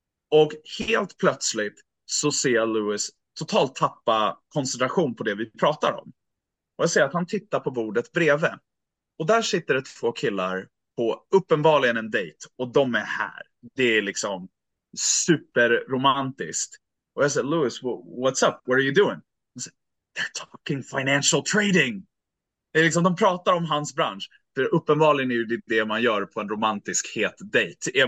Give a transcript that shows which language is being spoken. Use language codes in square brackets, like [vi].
[sv] Och helt plötsligt så ser jag Louis totalt tappa koncentration på det vi pratar om. Och jag ser att han tittar på bordet bredvid. Och där sitter det två killar på uppenbarligen en dejt, och de är här. Det är liksom superromantiskt. Och jag säger, [en] Louis, what's up? What are you doing? [sv] Han säger, [en] they're talking financial trading. [sv] Det är liksom, de pratar om hans bransch. För uppenbarligen är det det man gör på en romantisk het dejt.